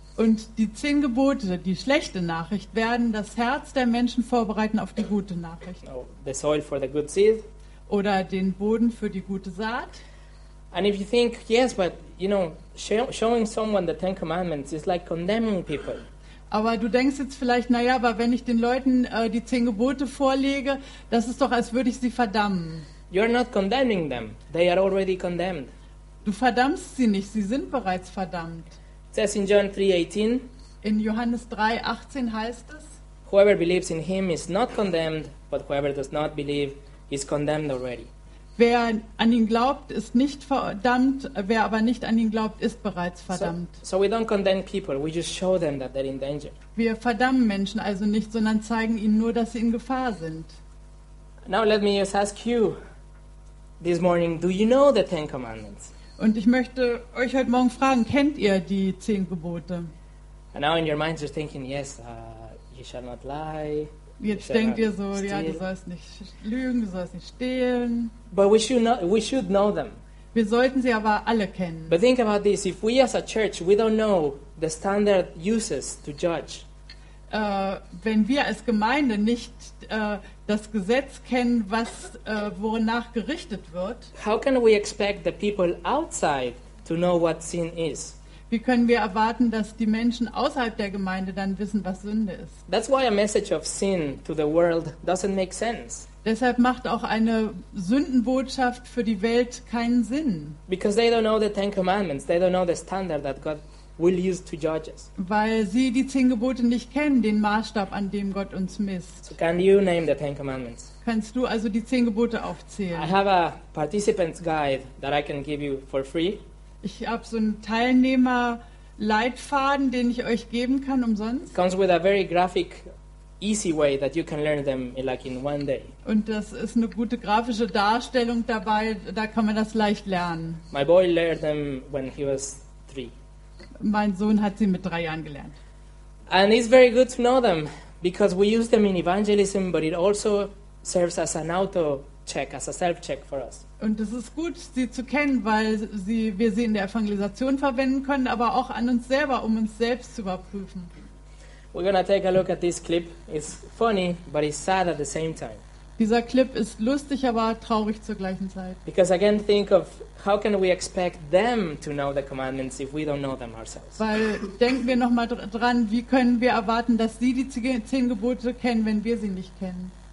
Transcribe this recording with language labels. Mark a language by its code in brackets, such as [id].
[de] Und die 10 Gebote, die schlechte Nachricht, werden das Herz der Menschen vorbereiten auf die gute Nachricht. [en] The soil for the good seed. [de] Oder den Boden für die gute Saat. [en] And if you think, yes, but you know, showing someone the Ten Commandments is like condemning people. [de] Aber du denkst jetzt vielleicht, naja, aber wenn ich den Leuten die 10 Gebote vorlege, das ist doch, als würde ich sie verdammen. [en] You're not condemning them. They are already condemned. [de] Du verdammst sie nicht, sie sind bereits verdammt. [en] It says in John 3:18. [de] In Johannes 3:18 heißt es: [en] Whoever believes in him is not condemned, but whoever does not believe is condemned already. [de] Wer an ihn glaubt, ist nicht verdammt, wer aber nicht an ihn glaubt, ist bereits verdammt. [en] So we don't condemn people, we just show them that they're in danger. [de] Wir verdammen Menschen also nicht, sondern zeigen ihnen nur, dass sie in Gefahr sind. [en] Now let me just ask you this morning, do you know the Ten Commandments? [de] Und ich möchte euch heute Morgen fragen, kennt ihr die 10 Gebote? [en] And now in your mind you're thinking, yes, you shall not lie. [de] Jetzt denkt ihr so, steal. Ja, du sollst nicht lügen, du sollst nicht stehlen. [en] But we should know them. [de] Wir sollten sie aber alle kennen. [en] But think about this, if we as a church, we don't know the standard uses to judge. [de] Wenn wir als Gemeinde nicht das Gesetz kennen, was wonach gerichtet wird. [en] How can we expect the people outside to know what sin is? [de] Wie können wir erwarten, dass die Menschen außerhalb der Gemeinde dann wissen, was Sünde ist? [en] That's why a message of sin to the world doesn't make sense. [de] Deshalb macht auch eine Sündenbotschaft für die Welt keinen Sinn. [en] Because they don't know the Ten Commandments, they don't know the standard that God will use to judge us. [de] Weil sie die 10 Gebote nicht kennen, den Maßstab, an dem Gott uns misst. [en] So can you name the Ten Commandments? [de] Kannst du also die 10 Gebote aufzählen? [en] I have a participant's guide that I can give you for free. [de] Ich habe so einen Teilnehmerleitfaden, den ich euch geben kann umsonst. [en] It comes with a very graphic, easy way that you can learn them in, like in one day. [de] Und das ist eine gute grafische Darstellung dabei, da kann man das leicht lernen. [en] My boy learned them when he was 3. [de] Mein Sohn hat sie mit 3 Jahren gelernt. [en] And it's very good to know them, because we use them in evangelism, but it also serves as an auto-check, as a self-check for us. [de] Und es ist gut, sie zu kennen, weil wir sie in der Evangelisation verwenden können, aber auch an uns selber, um uns selbst zu überprüfen. [en] We're gonna take a look at this clip. It's funny, but it's sad at the same time. [de] Dieser Clip ist lustig, aber traurig zur gleichen Zeit. [en] Because again, think of how can we expect them to know the commandments if we don't know them ourselves? [de] Weil denken wir nochmal dran, wie können wir erwarten, dass sie die 10 Gebote kennen, wenn wir sie nicht kennen?